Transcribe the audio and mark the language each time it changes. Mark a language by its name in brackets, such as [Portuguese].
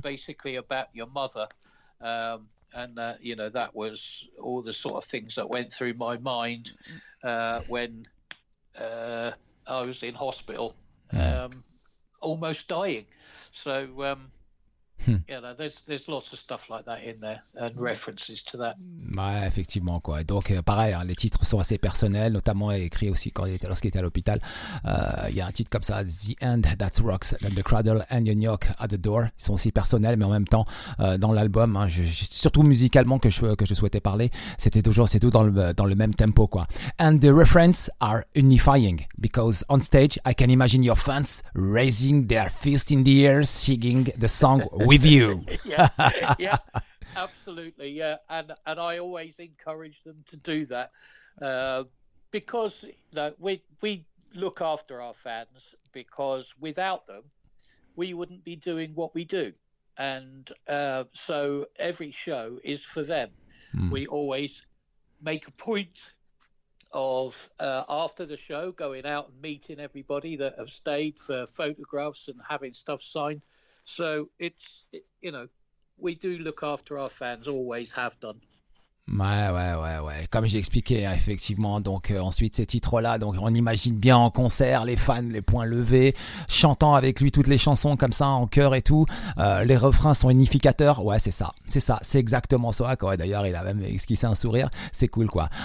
[English] basically about your mother. And you know, that was all the sort of things that went through my mind when I was in hospital, almost dying. So you know, there's lots of stuff like that in there, and references to that. [French] Ouais, effectivement, quoi. Et donc pareil, hein, les titres sont assez personnels, notamment écrit aussi lorsqu'il était à l'hôpital. Il y a un titre comme ça, The End That Rocks and the Cradle and the Knock at the Door. Ils sont aussi personnels, mais en même temps dans l'album, hein, surtout musicalement, que je souhaitais parler, c'était toujours, c'est tout dans le même tempo, quoi. [English] And the references are unifying, because on stage I can imagine your fans raising their fist in the air singing the song with you. Yeah, absolutely. Yeah, and I always encourage them to do that, because, you know, we look after our fans, because without them we wouldn't be doing what we do, and so every show is for them. We always make a point of after the show going out and meeting everybody that have stayed for photographs and having stuff signed. So it's, you know, we do look after our fans, always have done. [French] Ouais. Comme j'ai expliqué, effectivement. Donc ensuite, ces titres-là, donc on imagine bien en concert les fans, les poings levés, chantant avec lui toutes les chansons comme ça en chœur et tout. Les refrains sont unificateurs. Ouais, c'est ça. C'est exactement ça, quoi. D'ailleurs, il a même esquissé un sourire. C'est cool, quoi.